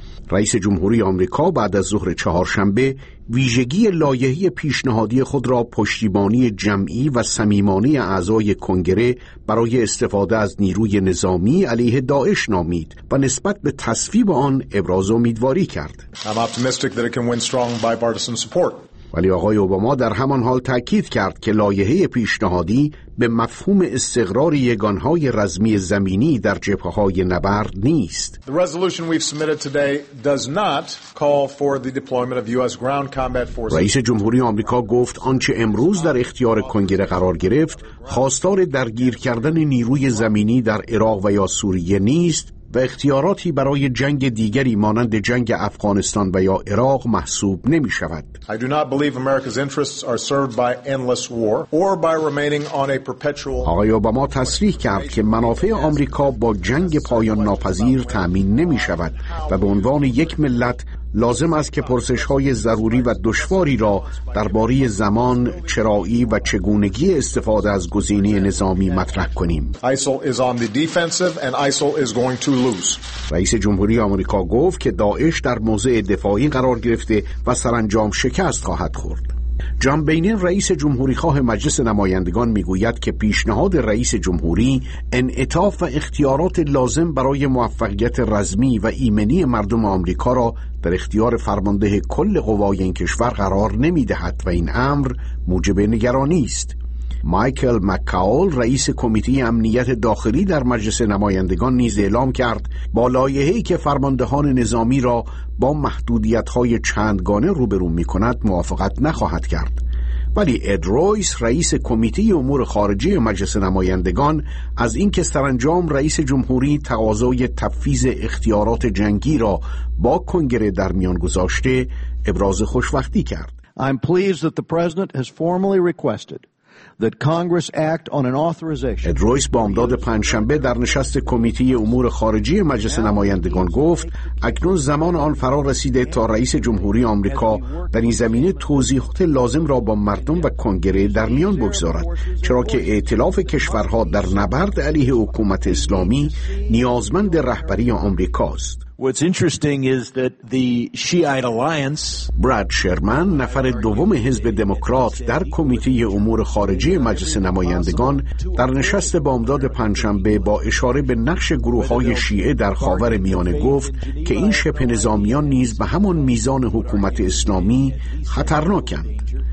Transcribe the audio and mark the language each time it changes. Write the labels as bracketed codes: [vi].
[fa] رئیس جمهوری آمریکا بعد از ظهر چهارشنبه ویژگی لایحه پیشنهادی خود را پشتیبانی جمعی و صمیمانه اعضای کنگره برای استفاده از نیروی نظامی علیه داعش نامید و نسبت به تصویب آن ابراز امیدواری کرد. [en] I'm optimistic that it can win strong bipartisan support. [fa] ولی آقای اوباما در همان حال تأکید کرد که لایحه پیشنهادی به مفهوم استقرار یگانهای رزمی زمینی در جبهه‌های نبرد نیست. [en] The resolution we've submitted today does not call for the deployment of US ground combat forces. [fa] رئیس جمهوری آمریکا گفت آنچه امروز در اختیار کنگره قرار گرفت، خواستار درگیر کردن نیروی زمینی در عراق و یا سوریه نیست و اختیاراتی برای جنگ دیگری مانند جنگ افغانستان و یا عراق محسوب نمی شود. [en] I do not believe America's interests are served by endless war or by remaining on a perpetual. [fa] آقای اوباما تصریح کرد که منافع آمریکا با جنگ پایان ناپذیر تأمین نمی شود و به عنوان یک ملت لازم است که پرسش‌های ضروری و دشواری را درباره زمان، چرایی و چگونگی استفاده از گزینه نظامی مطرح کنیم. [en] ISIL is on the defensive and ISIL is going to lose. [fa] رئیس جمهوری آمریکا گفت که داعش در موضع دفاعی قرار گرفته و سرانجام شکست خواهد خورد. جان بینن رئیس جمهوری خواه مجلس نمایندگان میگوید که پیشنهاد رئیس جمهوری انعطاف و اختیارات لازم برای موفقیت رزمی و ایمنی مردم آمریکا را در اختیار فرمانده کل قوای این کشور قرار نمیدهد و این امر موجب نگرانی است. مایکل مکاول رئیس کمیته امنیت داخلی در مجلس نمایندگان نیز اعلام کرد با لایحه‌ای که فرماندهان نظامی را با محدودیت‌های چندگانه روبرو می‌کند موافقت نخواهد کرد، ولی اد رویس رئیس کمیته امور خارجه مجلس نمایندگان از اینکه سرانجام رئیس جمهوری تقاضای تفویض اختیارات جنگی را با کنگره در میان گذاشته ابراز خوشبختی کرد. [en] I'm pleased that the president has formally requested that Congress act on an authorization. [fa] اد رویس بامداد پنجشنبه در نشست کمیته امور خارجی مجلس نمایندگان گفت اکنون زمان آن فرا رسیده تا رئیس جمهوری آمریکا در این زمینه توضیحات لازم را با مردم و کنگره در میان بگذارد، چرا که ائتلاف کشورها در نبرد علیه حکومت اسلامی نیازمند رهبری آمریکا است. [en] What's interesting is that the Shiite Alliance, [fa] براد شرمن، نفر دوم حزب دموکرات در کمیته امور خارجی مجلس نمایندگان در نشست بامداد پنجشنبه با اشاره به نقش گروه‌های شیعه در خاورمیانه گفت که این شبه نظامیان نیز به همان میزان حکومت اسلامی خطرناکند.